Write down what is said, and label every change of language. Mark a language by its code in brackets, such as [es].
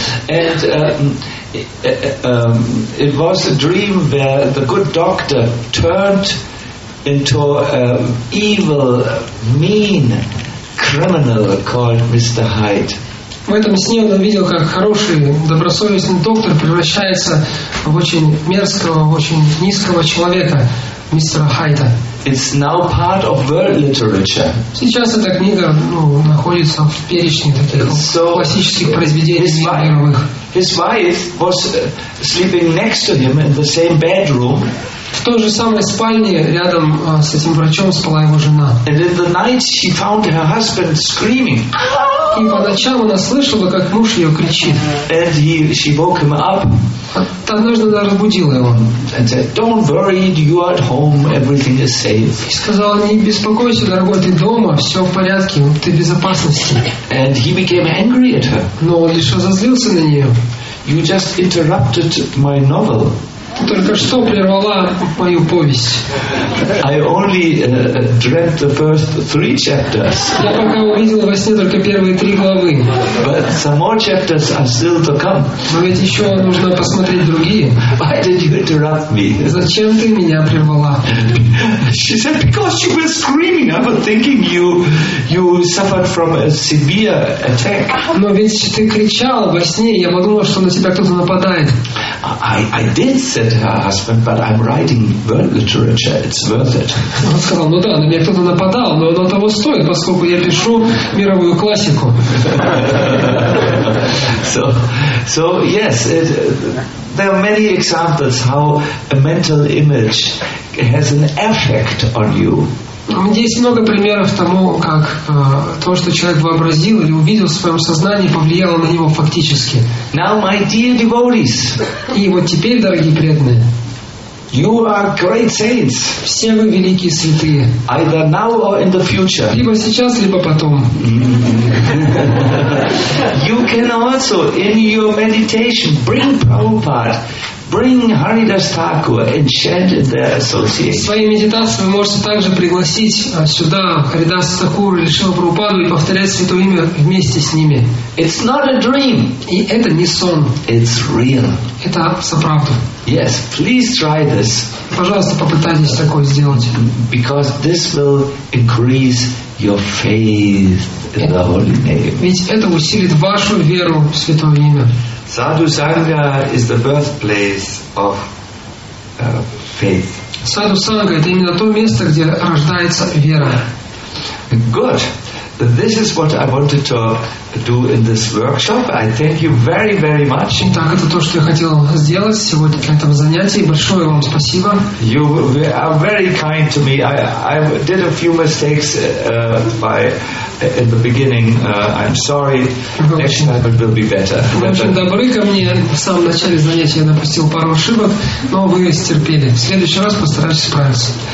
[en] And it was a dream where the good doctor turned into an evil, mean criminal called Mr. Hyde. [ru] В этом сне он увидел, как хороший, добросовестный доктор превращается в очень мерзкого, очень низкого человека, мистера Хайда. [en] It's now part of world literature. [ru] Сейчас эта книга, ну, находится в перечне таких классических произведений мировых. [en] His wife was sleeping next to him in the same bedroom. [ru] В той же самой спальне рядом с этим врачом спала его жена. [en] And in the night she found her husband screaming. [ru] И по ночам она слышала, как муж ее кричит. [en] And she woke him up. [ru] Однажды она разбудила его. [en] And said, "Don't worry, you are at home, everything is safe." [ru] И сказала: "Не беспокойся, дорогой, ты дома, все в порядке, ты в безопасности." [en] And he became angry at her. [ru] Но он лишь разозлился на нее. [en] You just interrupted my novel. [ru] Ты только что прервала мою повесть. [en] I only dreamt the first three chapters. [ru] Я пока увидел во сне только первые три главы. [en] But some more chapters are still to come. [ru] Но ведь еще нужно посмотреть другие. [en] Why did you interrupt me? [ru] Зачем ты меня прервала? [en] She said, because you were screaming. I was thinking you suffered from a severe attack. [ru] Но ведь ты кричал во сне, я подумал, что на тебя кто-то нападает. [en] I did. Said her husband, but I'm writing world literature. It's worth it. [ru] Он сказал: "Ну да, на меня кто-то нападал, но оно того стоит, поскольку я пишу мировую классику." [en] So yes, there are many examples how a mental image has an effect on you. [ru] Есть много примеров тому, как то, что человек вообразил или увидел в своем сознании, повлияло на него фактически. [en] Now, my dear devotees, [ru] и вот теперь, дорогие преданные, [en] you are great saints. [ru] Все вы великие святые. [en] Either now or in the future. [ru] Либо сейчас, либо потом. [en] You can also in your meditation bring Prabhupada. Bring Haridas Thakur and chant in their association. [ru] В своей медитации вы можете также пригласить сюда Харидас Такур или Шрила Прабхупаду и повторять святое имя вместе с ними. [en] It's not a dream. [ru] И это не сон. [en] It's real. [ru] Это за правду. [en] Yes, please try this. [ru] Пожалуйста, попытайтесь такое сделать. [en] Because this will increase your faith in the holy name. [ru] Ведь это усилит вашу веру в святое имя. [en] Sadhu Sangha is the birthplace of faith. [ru] Sadhu Sangha — это именно то место, где рождается вера. [en] Good. This is what I wanted to do in this workshop. I thank you very, very much. [ru] Итак, это то, что я хотел сделать сегодня на этом занятии. Большое вам спасибо. [en] You are very kind to me. I did a few mistakes in the beginning. I'm sorry. Next time it will be better. [ru] Вы очень добры ко мне. В самом начале занятия я допустил пару ошибок, но вы стерпели. В следующий раз постараюсь справиться.